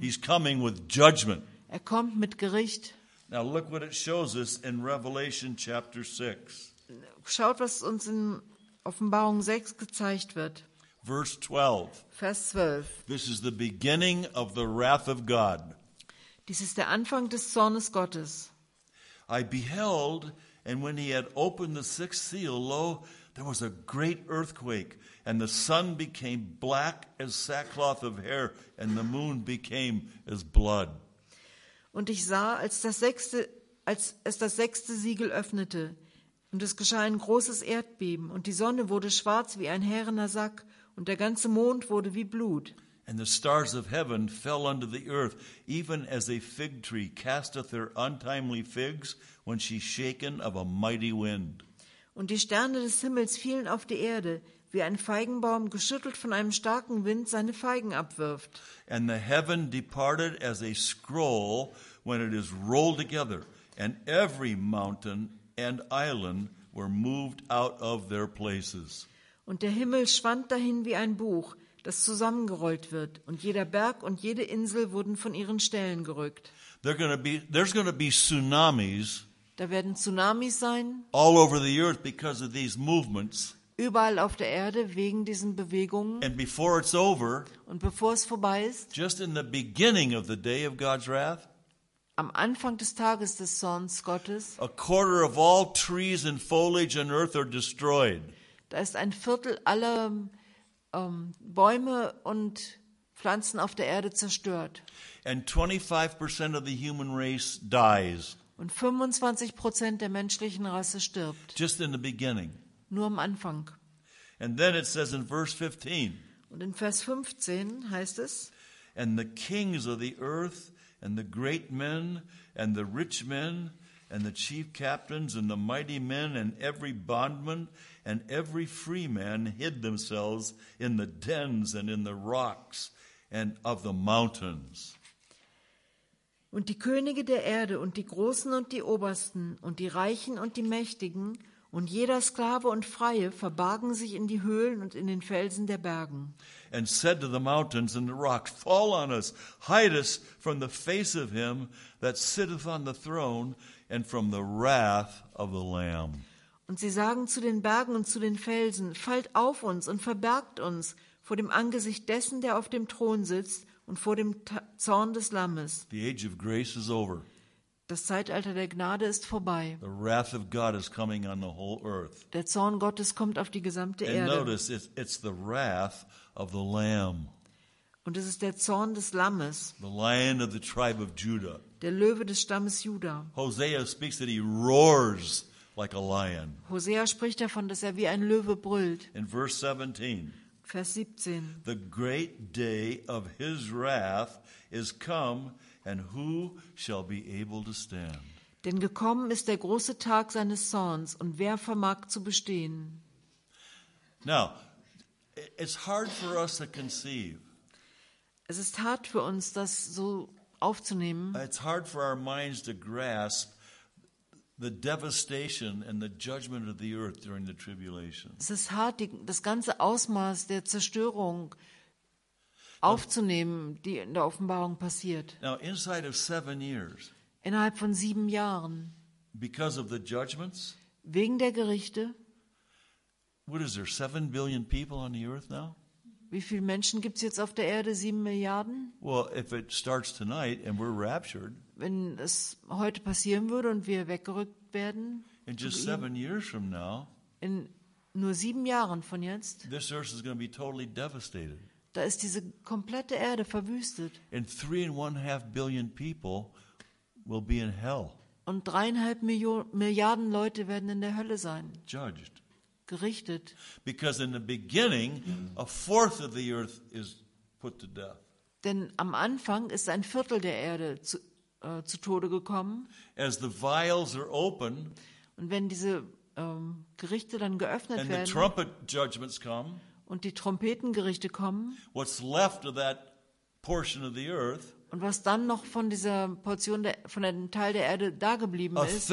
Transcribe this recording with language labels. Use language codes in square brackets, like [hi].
[en] He's coming with judgment. [de] Er kommt mit Gericht. [en] Now look what it shows us in Revelation chapter 6. [de] Schaut, was uns in Offenbarung 6 gezeigt wird. Vers 12. [en] This is the beginning of the wrath of God. [de] Dies ist der Anfang des Zornes Gottes. [en] I beheld, and when he had opened the sixth seal, lo, there was a great earthquake, and the sun became black as sackcloth of hair, and the moon became as blood. [de] Und ich sah, als es das sechste Siegel öffnete. Und es geschah ein großes Erdbeben, und die Sonne wurde schwarz wie ein härener Sack, und der ganze Mond wurde wie Blut. [en] And the stars of heaven fell unto the earth, even as a fig tree casteth her untimely figs, when she's shaken of a mighty wind. [de] Und die Sterne des Himmels fielen auf die Erde, wie ein Feigenbaum geschüttelt von einem starken Wind seine Feigen abwirft. [en] And the heaven departed as a scroll, when it is rolled together, and every mountain and island were moved out of their places. [de] Und der Himmel schwand dahin wie ein Buch, das zusammengerollt wird, und jeder Berg und jede Insel wurden von ihren Stellen gerückt. [en] There's going to be tsunamis. [de] Da werden Tsunamis sein. [en] All over the earth because of these movements. [de] Überall auf der Erde wegen diesen Bewegungen. [en] And before it's over. [de] Und bevor es vorbei ist. [en] Just in the beginning of the day of God's wrath. [de] Am Anfang des Tages des Zorns Gottes. [en] A quarter of all trees and foliage on earth are destroyed. [de] Da ist ein Viertel aller Bäume und Pflanzen auf der Erde zerstört. [en] And 25% of the human race dies. [de] Und 25% der menschlichen Rasse stirbt. [en] Just in the beginning. [de] Nur am Anfang. [en] And then it says in verse 15. [de] Und in Vers 15 heißt es. [en] And the kings of the earth and the great men and the rich men and the chief captains and the mighty men and every bondman and every free man hid themselves in the dens and in the rocks and of the mountains. [de] Und die Könige der Erde und die Großen und die Obersten und die Reichen und die Mächtigen und jeder Sklave und Freie verbargen sich in die Höhlen und in den Felsen der Bergen. [en] And said to the mountains and the rocks, fall on us, hide us from the face of him that sitteth on the throne and from the wrath of the Lamb. [de] Und sie sagen zu den Bergen und zu den Felsen, fallt auf uns und verbergt uns vor dem Angesicht dessen, der auf dem Thron sitzt und vor dem Zorn des Lammes. [en] The age of grace is over. [de] Das Zeitalter der Gnade ist vorbei. [en] The wrath of God is coming on the whole earth. [de] Der Zorn Gottes kommt auf die gesamte [en] and [de] Erde. [en] Notice, it's the wrath of the Lamb. [de] Und es ist der Zorn des Lammes. [en] The lion of the tribe of Judah. [de] Der Löwe des Stammes Juda. [en] Hosea speaks that he roars like a lion. [de] Hosea spricht davon, dass er wie ein Löwe brüllt. [en] In verse 17. [de] Vers 17. [en] The great day of his wrath is come, and who shall be able to stand? [de] Denn gekommen ist der große Tag seines Zorns, und wer vermag zu bestehen? [en] Now, it's hard for us to conceive. [de] Es ist hart für uns, das so aufzunehmen. [en] It's hard for our minds to grasp the devastation and the judgment of the earth during the tribulation. [de] Es ist hart, das ganze Ausmaß der Zerstörung aufzunehmen, die in der Offenbarung passiert. [en] Now, inside of 7 years, [de] innerhalb von 7 Jahren, [en] because of the judgments, [de] wegen der Gerichte, [en] what is there, 7 billion people on the earth now? [de] Wie viele Menschen gibt es jetzt auf der Erde? 7 Milliarden? [en] Well, if it starts tonight and we're raptured, [de] wenn es heute passieren würde und wir weggerückt werden, [en] in just 7 years from now, [de] in nur 7 Jahren von jetzt, [en] this earth is going to be totally devastated. [de] Da ist diese komplette Erde verwüstet. [en] And 3.5 billion people will be in hell. [de] Und 3.5 Milliarden Leute werden in der Hölle sein. [en] Judged. [de] Gerichtet. [en] Because in the beginning, a fourth of the earth is put to death. [de] Denn am Anfang ist ein Viertel der Erde zu Tode gekommen. [en] As the vials are open. [de] Und wenn diese Gerichte dann geöffnet [en] and [de] werden. [en] And the trumpet judgments come. [de] Und die Trompetengerichte kommen. [en] What's left of that portion of the earth? [de] Und was dann noch von dieser Portion von einem Teil der Erde da geblieben ist?